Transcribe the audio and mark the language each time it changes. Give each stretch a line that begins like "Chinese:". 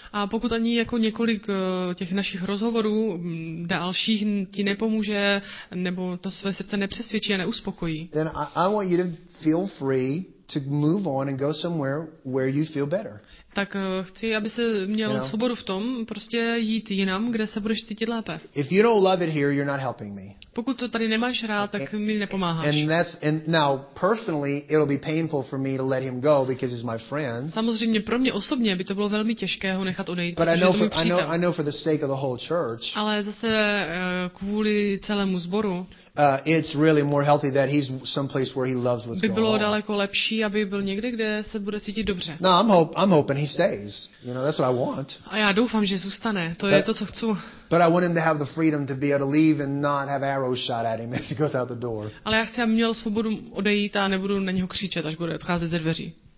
Czech: A pokud ani jako několik těch našich rozhovorů dalších ti nepomůže nebo to své srdce nepřesvědčí a neuspokojí.
English: Then I want you to feel free to move on and go somewhere where you feel better.
Czech: Tak chci, aby se měl svobodu v tom, prostě jít jinam, kde se budeš cítit lépe.
English: If you don't love it here, you're not helping me.
Czech: Pokud to tady nemáš rád, tak mi nepomáháš.
English: And now personally it'll be painful for me to let him go because he's my friend.
Czech: Samozřejmě pro mě osobně by to bylo velmi těžké ho nechat odejít, protože je to můj přítel.
English: But I know for the sake of the whole church.
Czech: Ale zase kvůli celému sboru.
English: It's really more healthy that he's someplace where he loves what's going on.
Czech: By bylo daleko lepší, aby byl někde, kde se bude cítit dobře.
English: No, I'm hoping he stays. You know, that's what I want.
Czech: A já doufám, že zůstane. Je to, co chci.
English: But I want him to have the freedom to be able to leave and not have arrows shot at him as he goes out the door.
Czech: Ale já chci, aby měl svobodu odejít a nebudu na něho křičet, až bude odcházet ze dveří.